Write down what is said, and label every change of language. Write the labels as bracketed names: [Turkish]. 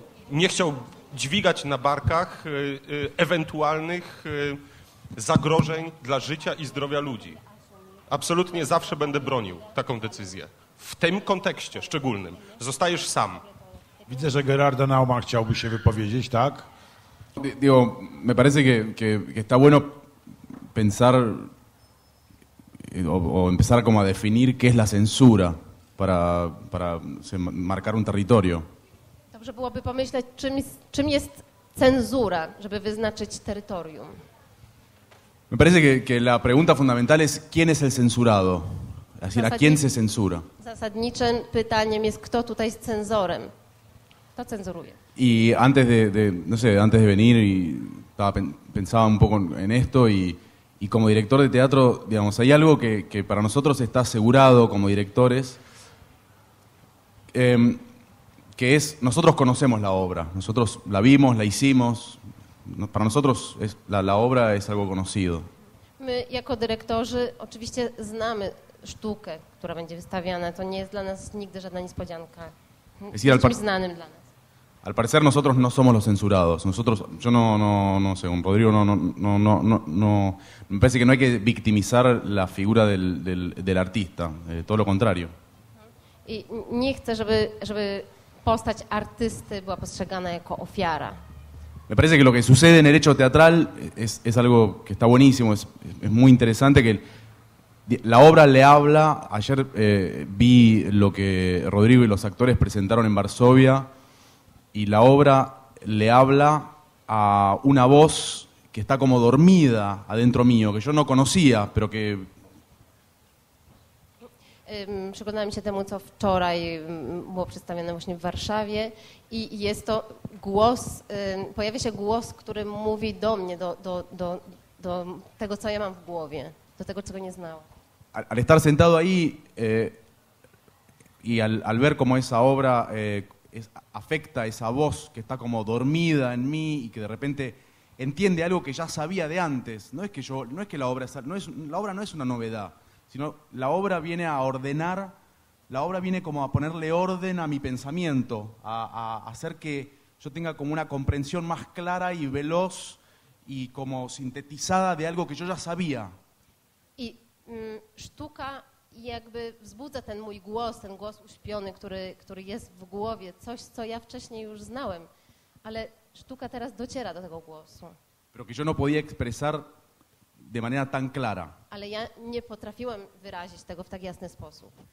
[Polish] Nie chciał dźwigać na barkach ewentualnych zagrożeń dla życia i zdrowia ludzi. Absolutnie zawsze będę bronił taką decyzję. W tym kontekście szczególnym. Zostajesz sam. Widzę, że Gerardo Nauma chciałby się wypowiedzieć, tak? [Spanish] Digo, me parece que está bueno pensar o empezar como a definir qué es la censura para marcar un territorio. [Polish] Dobrze byłoby pomyśleć, czym jest cenzura, żeby wyznaczyć terytorium. [Spanish] Me parece que la pregunta fundamental es quién es el censurado, a quién se censura. [Polish] Zasadniczym pytaniem jest kto tutaj jest cenzorem, kto cenzuruje. [Spanish] Y antes de no sé, antes de venir y estaba pensaba un poco en esto y como director de teatro, digamos, hay algo que para nosotros está asegurado como directores, que es nosotros conocemos la obra, nosotros la vimos, la hicimos. Para nosotros es, la obra es algo conocido. [Polish] My jako dyrektorzy oczywiście znamy sztukę, która będzie wystawiana. To nie jest dla nas nigdy żadna niespodzianka. Jest czymś znanym dla nas. [Spanish] Al parecer nosotros no somos los censurados. Nosotros, yo no sé, un Rodrigo no. Me parece que no hay que victimizar la figura del artista. Todo lo contrario. [Polish] I nie chcę, żeby postać artysty była postrzegana jako ofiara. [Spanish] Me parece que lo que sucede en el hecho teatral es algo que está buenísimo, es muy interesante, que la obra le habla. Ayer vi lo que Rodrigo y los actores presentaron en Varsovia y la obra le habla a una voz que está como dormida adentro mío, que yo no conocía, pero que... [Polish] Przyglądałem się temu, co wczoraj było przedstawione właśnie w Warszawie i jest to głos, pojawia się głos, który mówi do mnie, do tego, co ja mam w głowie, do tego, czego nie znałam. [Spanish] Al estar sentado ahí y al ver cómo esa obra afecta esa voz que está como dormida en mí y que de repente entiende algo que ya sabía de antes, la obra no es una novedad. Sino la obra viene a ordenar, la obra viene como a ponerle orden a mi pensamiento, a hacer que yo tenga como una comprensión más clara y veloz y como sintetizada de algo que yo ya sabía. [Polish] I sztuka jakby wzbudza ten głos uśpiony, który jest w głowie, coś, co ja wcześniej już znałem, ale sztuka teraz dociera do tego głosu. [Spanish] Pero que yo no podía expresar de manera tan clara. [Polish] Ale ja nie potrafiłem wyrazić tego w tak jasny sposób.